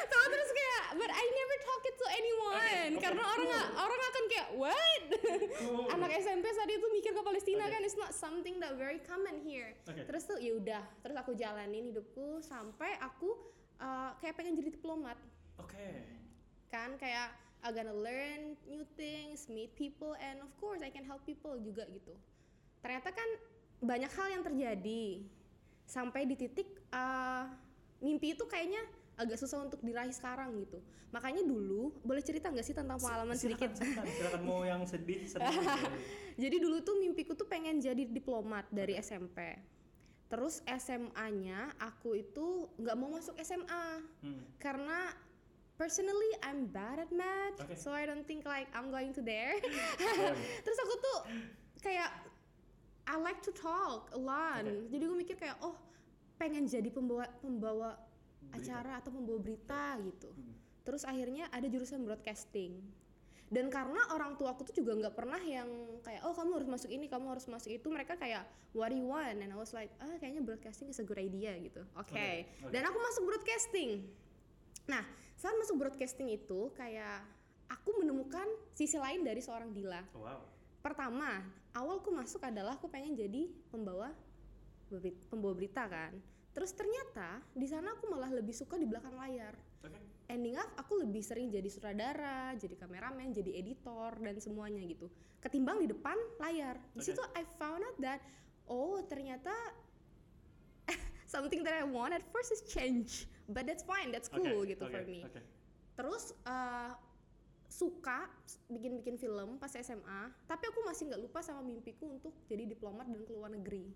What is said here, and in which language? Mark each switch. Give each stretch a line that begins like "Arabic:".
Indonesian: Terus kayak
English: but I never talk it to anyone. Okay. Karena orang akan kayak what?
Indonesian: Anak SMP saat itu mikir ke Palestina
English: okay. Kan it's not something that very common here. Okay.
Indonesian: Terus tuh ya udah, terus aku jalanin hidupku sampai aku kayak pengen jadi diplomat. Oke.
English: Okay.
Indonesian: Kan kayak
English: I gonna learn new things, meet people, and of course I can help people
Indonesian: juga gitu. Ternyata kan banyak hal yang terjadi sampai di titik mimpi itu kayaknya agak susah untuk diraih sekarang gitu. Makanya dulu, boleh cerita gak sih tentang pengalaman sedikit? Silahkan mau yang sedih, jadi dulu tuh mimpiku tuh pengen jadi diplomat dari SMP. Terus SMA-nya aku itu gak mau masuk SMA.
English: Karena personally, I'm bad at math, okay. So I don't think like I'm going to there. Okay. Terus aku tuh kayak I like to talk a lot. Okay.
Indonesian: Jadi gue mikir kayak oh pengen jadi pembawa acara atau pembawa berita gitu. Terus akhirnya ada jurusan broadcasting. Dan karena orang tua aku tuh juga nggak pernah yang kayak oh kamu harus masuk ini, kamu harus masuk itu. Mereka kayak
English: what do you want? And I was like
Indonesian: ah kayaknya
English: broadcasting is a good idea gitu. Okay.
Indonesian: Dan aku masuk broadcasting. Nah, saat masuk broadcasting itu kayak aku menemukan sisi lain dari seorang Dila.
English: Wow.
Indonesian: Pertama, awalku masuk adalah aku pengen jadi pembawa berita kan. Terus ternyata di sana aku malah lebih suka di belakang layar.
English: Okay. Ending up
Indonesian: aku lebih sering jadi sutradara, jadi kameramen, jadi editor dan semuanya gitu. Ketimbang di depan layar. Di
English: okay. situ I found out that oh, ternyata something that I want at first is change, but that's fine, that's cool okay,
Indonesian: gitu
English: okay, for me. Okay.
Indonesian: Terus suka bikin film pas SMA, tapi aku masih nggak lupa sama mimpiku untuk jadi diplomat dan ke luar negeri.